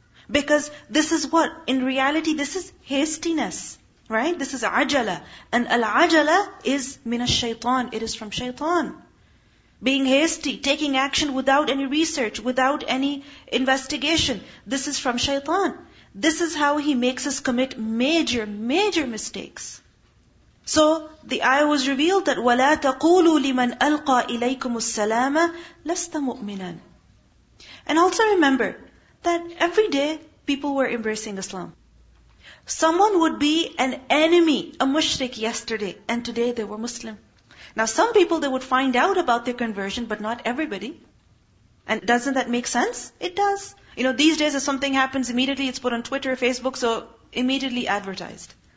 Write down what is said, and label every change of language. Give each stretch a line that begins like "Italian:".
English: Because this is what? In reality, this is hastiness, right? This is ajala. And al-ajala is min ash-shaytan. It is from shaytan. Being hasty, taking action without any research, without any investigation. This is from shaitan. This is how he makes us commit major, major mistakes. So the ayah was revealed that
Arabic: وَلَا تَقُولُوا لِمَنْ أَلْقَى إِلَيْكُمُ السَّلَامَ لَسْتَ مُؤْمِنًا.
English: And also remember that every day people were embracing Islam. Someone would be an enemy, a mushrik yesterday, and today they were Muslim. Now some people, they would find out about their conversion, but not everybody. And doesn't that make sense? It does. You know, these days if something happens immediately, it's put on Twitter, Facebook, so immediately advertised.